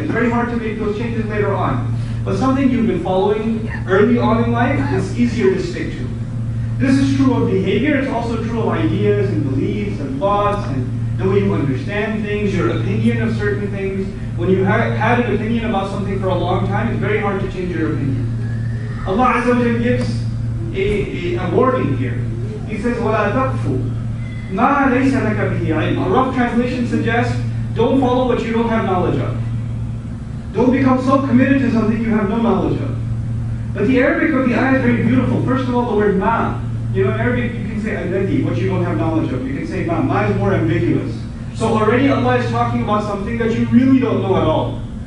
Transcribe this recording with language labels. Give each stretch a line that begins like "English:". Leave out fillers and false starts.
English: It's very hard to make those changes later on. But something you've been following early on in life is easier to stick to. This is true of behavior, it's also true of ideas and beliefs and thoughts and the way you understand things, your opinion of certain things. When you have an opinion about something for a long time, it's very hard to change your opinion. Allah Azza wa Jalla gives a warning here. He says,
Arabic: وَلَا تَقْفُ مَا لَيْسَ لَكَ بِهِ عِلْمٍ.
English: A rough translation suggests, don't follow what you don't have knowledge of. Don't become so committed to something you have no knowledge of. But the Arabic of the ayah is very beautiful. First of all, the word ma. You know, in Arabic, you can say alladhi, what you don't have knowledge of. You can say ma. Ma is more ambiguous. So already Allah is talking about something that you really don't know at all.